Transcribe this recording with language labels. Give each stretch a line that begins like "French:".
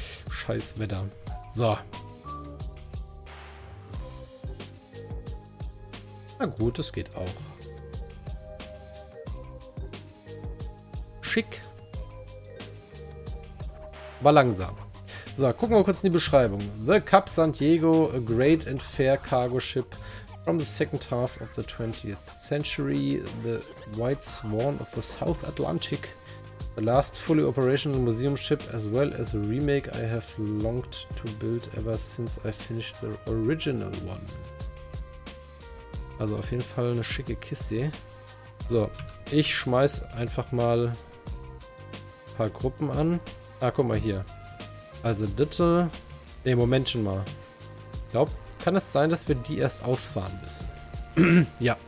German: Scheiß Wetter. So. Na gut, das geht auch. Schick. War langsam. So, gucken wir kurz in die Beschreibung.
English: The Cap San Diego, a great and fair cargo ship from the second half of the 20th century. The White Swan of the South Atlantic. The last fully operational museum ship as well as a remake I have longed to build ever since I finished the original one.
German: Also auf jeden Fall eine schicke Kiste. So, ich schmeiß einfach mal ein paar Gruppen an. Ah, guck mal hier. Also bitte. Ne, Moment schon mal. Ich glaube, kann es sein, dass wir die erst ausfahren müssen? Ja.